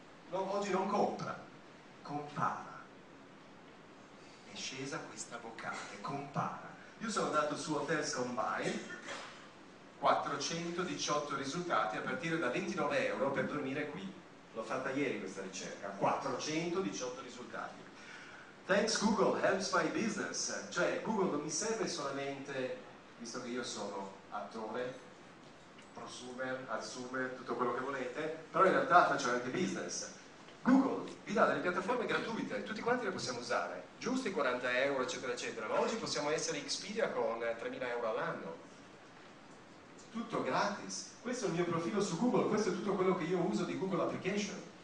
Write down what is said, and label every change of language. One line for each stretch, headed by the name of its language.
Italian: No, oggi non compra, compara. È scesa questa vocale, compara. Io sono andato su Hotels Combined. 418 risultati a partire da 29 euro per dormire qui. L'ho fatta ieri questa ricerca. 418 risultati.
English: Thanks Google helps my business.
Italian: Cioè, Google non mi serve solamente, visto che io sono attore, prosumer, assumer, tutto quello che volete, però in realtà faccio anche business. Google vi dà delle piattaforme gratuite, tutti quanti le possiamo usare, giusto i 40 euro, eccetera, eccetera. Ma oggi possiamo essere Expedia con 3.000 euro all'anno. Tutto gratis, questo è il mio profilo su Google, questo è tutto quello che io uso di Google Application.